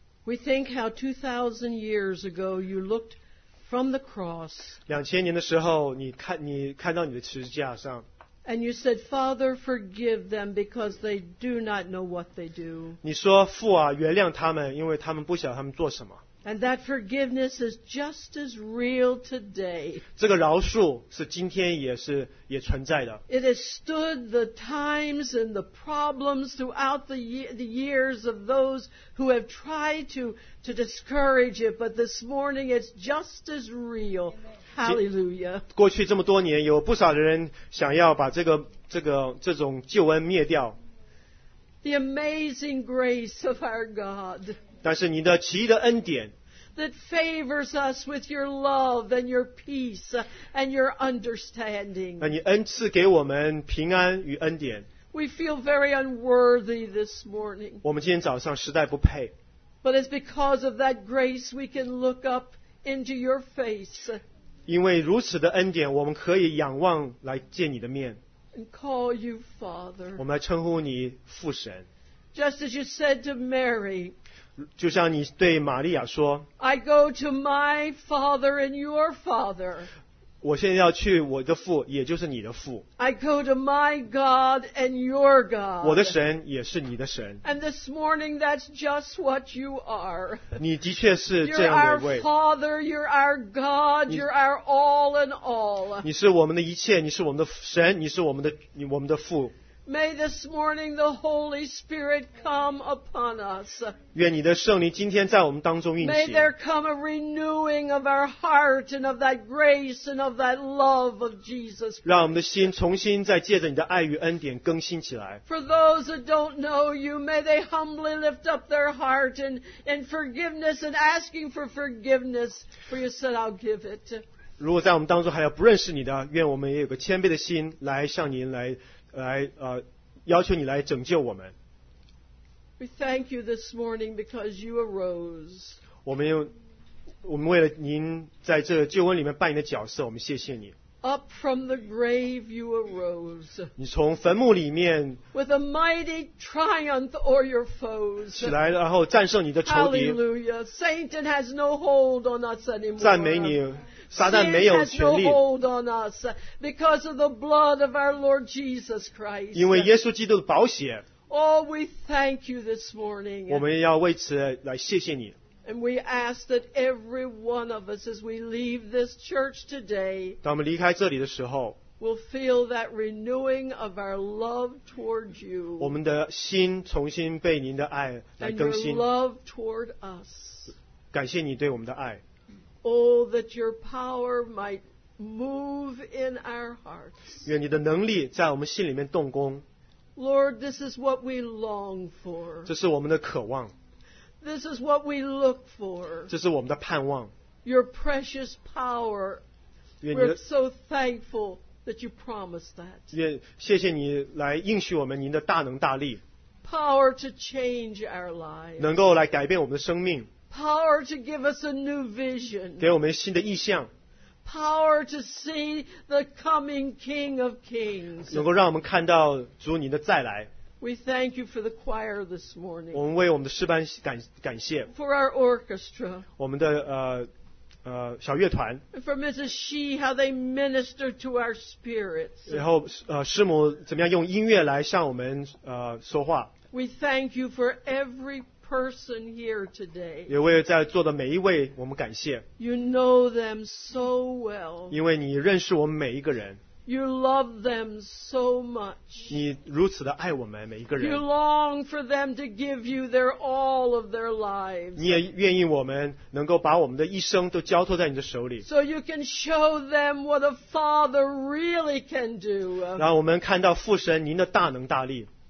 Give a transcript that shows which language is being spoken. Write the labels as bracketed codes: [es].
[en] We think how 2,000 years ago you looked from the cross. [zh] 两千年的时候，你看到你的十字架上。 [en] And you said, Father, forgive them because they do not know what they do. [zh] 你说父啊，原谅他们，因为他们不晓得他们做什么。 [en] And that forgiveness is just as real today. [zh] 这个饶恕是今天也存在的。 [en] It has stood the times and the problems throughout the years of those who have tried to discourage it, but this morning it's just as real. Hallelujah. [zh] 过去这么多年，有不少的人想要把这种救恩灭掉。 [en] The amazing grace of our God. [zh] 但是你的奇异的恩典。 [en] That favors us with your love and your peace and your understanding. [zh] 那你恩赐给我们平安与恩典。 [en] We feel very unworthy this morning. [zh] 我们今天早上实在不配。 [en] But it's because of that grace we can look up into your face. [zh] 因为如此的恩典，我们可以仰望来见你的面。 [en] Call you Father. [zh] 我们来称呼你父神。 [en] Just as you said to Mary. [zh] 就像你对玛利亚说。 [en] I go to my Father and your Father. [zh] 我现在要去我的父，也就是你的父。 [en] I go to my God and your God. [zh] 我的神也是你的神。 [en] And this morning, that's just what you are. [zh] 你的确是这样的一位。 [en] You're our Father. You're our God. You're our all in all. [zh] 你是我们的一切，你是我们的神，你是我们的父。 [en] May this morning the Holy Spirit come upon us. [zh] 愿你的圣灵今天在我们当中运行。 [en] May there come a renewing of our heart and of that grace and of that love of Jesus Christ. [zh] 让我们的心重新再借着你的爱与恩典更新起来。 [en] For those that don't know you, may they humbly lift up their heart and in forgiveness and asking for forgiveness, for you said, I'll give it. [zh] 如果在我们当中还有不认识你的，愿我们也有个谦卑的心来向您来要求你来拯救我们。 [en] We thank you this morning because you arose. [zh] 我们为了您在这救恩里面扮演的角色，我们谢谢你。 [en] Up from the grave you arose. [zh] 你从坟墓里面。 [en] With a mighty triumph o'er your foes. [zh] 起来，然后战胜你的仇敌。 [en] Hallelujah! Satan has no hold on us anymore. [zh] 赞美你，撒旦没有权力。 [en] Sin has no hold on us because of the blood of our Lord Jesus Christ. [zh] 因为耶稣基督的宝血。 [en] Oh, we thank you this morning. [zh] 我们要为此来谢谢你。 [en] And we ask that every one of us, as we leave this church today, will feel that renewing of our love toward you. [zh] 我们的心重新被您的爱来更新。 [en] And your love toward us. [zh] 感谢你对我们的爱。 [en] Oh, that your power might move in our hearts. [zh] 愿你的能力在我们心里面动工。 [en] Lord, this is what we long for. [zh] 这是我们的渴望。 [en] This is what we look for. [zh] 这是我们的盼望。 [en] Your precious power. We're so thankful that you promised that. [zh] 谢谢你来应许我们您的大能大力。 [en] Power to change our lives. [zh] 能够来改变我们的生命。 [en] Power to give us a new vision. [zh] 给我们新的意象。 [en] Power to see the coming King of Kings. [zh] 能够让我们看到主您的再来。 [en] We thank you for the choir this morning. [zh] 我们为我们的诗班感谢。 [en] For our orchestra. [zh] 我们的小乐团。 [en] For Mrs. She, how they minister to our spirits. [zh] 然后师母怎么样用音乐来向我们说话。 [en] We thank you for every person here today. [zh] 也为在座的每一位我们感谢。 [en] You know them so well. [zh] 因为你认识我们每一个人。 [en] You love them so much. [zh] 你如此的爱我们每一个人。 [en] You long for them to give you their all of their lives. [zh] 你也愿意我们能够把我们的一生都交托在你的手里。 [en] So you can show them what a father really can do. [zh] 让我们看到父神您的大能大力。